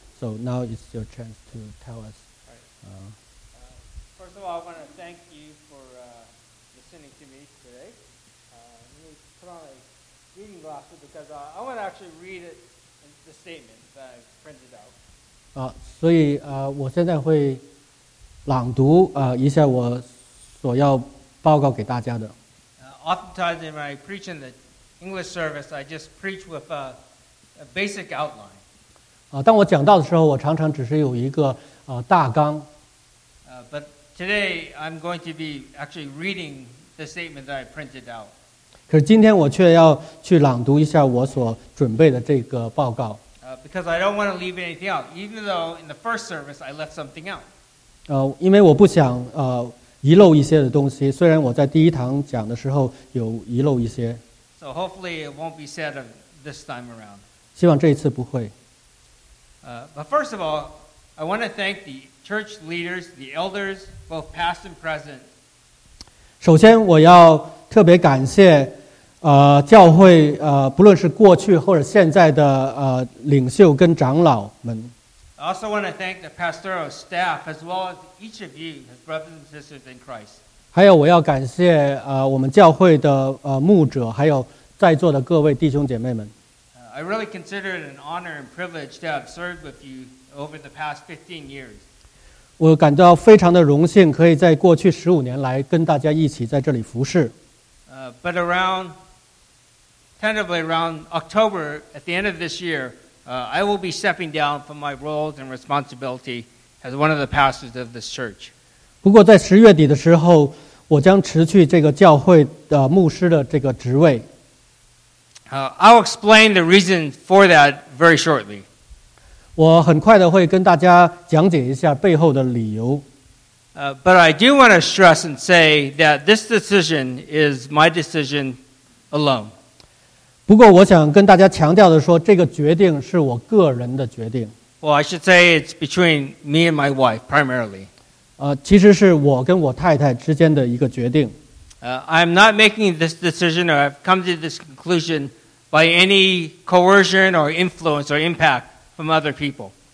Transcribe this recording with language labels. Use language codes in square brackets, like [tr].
[en] So now is your chance to tell us. First of all, I want to thank you for listening to me today. Let me put on a reading glasses because I want to actually read it in the statement that I printed out. [zh] 所以我现在会朗读一下我所要报告给大家的。 [en] Oftentimes in my preaching the English service, I just preach with a basic outline. [zh] 当我讲到的时候，我常常只是有一个大纲。 [en] But today I'm going to be actually reading the statement that I printed out. [zh] 可是今天我却要去朗读一下我所准备的这个报告。 [en] Because I don't want to leave anything out, even though in the first service I left something out. [zh] 因为我不想遗漏一些的东西，虽然我在第一堂讲的时候有遗漏一些。 [en] So hopefully it won't be said of this time around. [zh] 希望这一次不会。 [en] But first of all, I want to thank the church leaders, the elders, both past and present. [zh] 首先我要特别感谢教会不论是过去或者现在的领袖跟长老们。 [en] I also want to thank the pastoral staff as well as each of you, as brothers and sisters in Christ. [zh] 还有我要感谢我们教会的牧者，还有在座的各位弟兄姐妹们。 [en] I really consider it an honor and privilege to have served with you over the past 15 years. [zh] 我感到非常的荣幸，可以在过去15年来跟大家一起在这里服侍。 [en] But around, tentatively around October, at the end of this year, I will be stepping down from my roles and responsibility as one of the pastors of this church. [zh] 不过在10月底的时候, 我将辞去这个教会的牧师的这个职位。 [en] I'll explain the reason for that very shortly. [zh] 我很快地会跟大家讲解一下背后的理由。 [en] But I do want to stress and say that this decision is my decision alone. [zh] 不过我想跟大家强调的说, 这个决定是我个人的决定。 [en] Well, I should say it's between me and my wife primarily. [zh] 其实是我跟我太太之间的一个决定。 [en] I'm not making this decision or I've come to this conclusion by any coercion or influence or impact from other people.